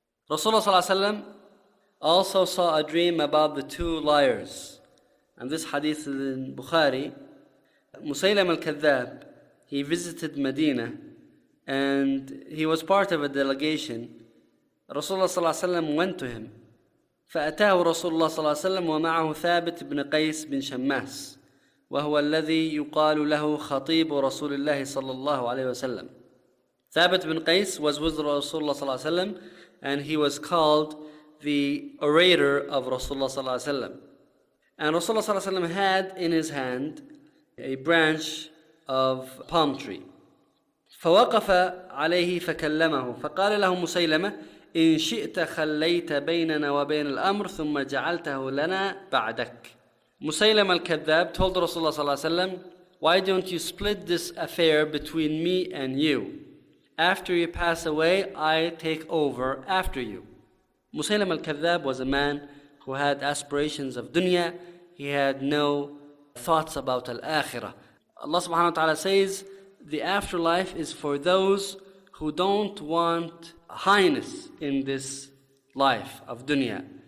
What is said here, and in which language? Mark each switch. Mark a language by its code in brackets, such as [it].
[en] Rasulullah sallallahu alaihi wasallam also saw a dream about the two liars. And this hadith is in Bukhari. Musaylam al-Kadhab, he visited Medina and he was part of a delegation. Rasulullah صلى الله عليه وسلم went to him. [ar] فأتاه رسول الله صلى الله عليه وسلم ومعه ثابت بن قيس بن شماس وهو الذي يقال له خطيب رسول الله صلى الله عليه وسلم. [en] ثابت بن قيس was with رسول الله صلى الله عليه وسلم and he was called the orator of رسول الله صلى الله عليه وسلم. And رسول الله صلى الله عليه وسلم had in his hand a branch of palm tree. [ar] فوقف عليه فكلمه فقال له مسيلمة إن شئت خليت بيننا وبين الأمر ثم جعلته لنا بعدك. [en] مسيلمة الكذاب told رسول الله صلى الله عليه وسلم, why don't you split this affair between me and you? After you pass away, I take over after you. مسيلمة الكذاب was a man who had aspirations of dunya. He had no thoughts about al-akhirah. Allah subhanahu wa ta'ala says, the afterlife is for those who don't want highness in this life of dunya.